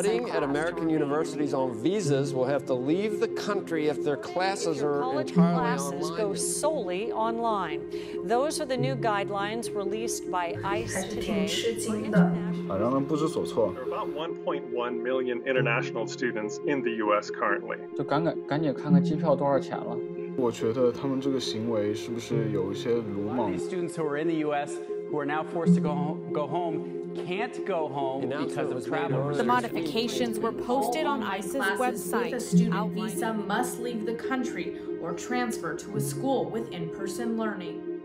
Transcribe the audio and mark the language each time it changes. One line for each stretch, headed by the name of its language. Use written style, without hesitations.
English: Studying at American universities on visas will have to leave the country if their classes are entirely online. College classes go solely online. Those are the new guidelines released by ICE today.
Chinese: 让人不知所措.
English: There are about 1.1 million international students in the U.S. currently.
Chinese: 就赶紧看看机票多少钱了。我觉得他们这个行为是不是有一些鲁莽？
English: These students who are in the U.S. who are now forced to go home can't go home because of travel. The modifications were posted on ICE's website. A student visa must leave the country or transfer to a school with in-person learning.